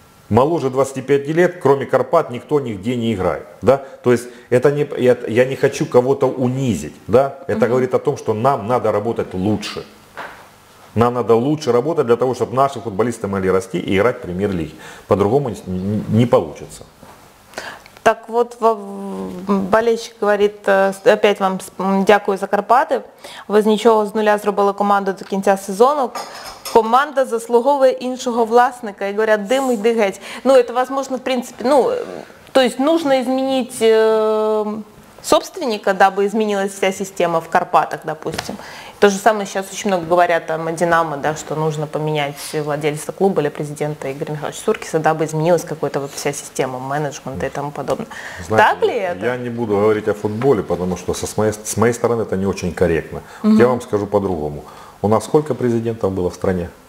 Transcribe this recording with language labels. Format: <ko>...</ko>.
<ru>Моложе 25 лет, кроме Карпат, никто нигде не играет, да? То есть, это не, я не хочу кого-то унизить, да? Это говорит о том, что нам надо работать лучше. Нам надо лучше работать для того, чтобы наши футболисты могли расти и играть в премьер-лиге. По-другому не получится. Так вот, болельщик говорит,</ru> <uk>опять вам дякую за Карпати, ви з нічого з нуля зробили команду до кінця сезону, команда заслуговує іншого власника, і говорять, дим іди геть. Ну, це можливо, в принципі, ну, тобто, потрібно змінити</uk> <ru>собственника, дабы</ru> <uk>змінилася вся система в Карпатах, допустим.</uk> <ru>То же самое сейчас очень много говорят о «Динамо», да, что нужно поменять владельца клуба или президента Игоря Михайловича Суркиса, дабы изменилась какая-то вот вся система менеджмента и тому подобное. Знаете, так ли это? Я не буду говорить о футболе, потому что с моей стороны это не очень корректно. Угу. Я вам скажу по-другому. У нас сколько президентов было в стране?</ru>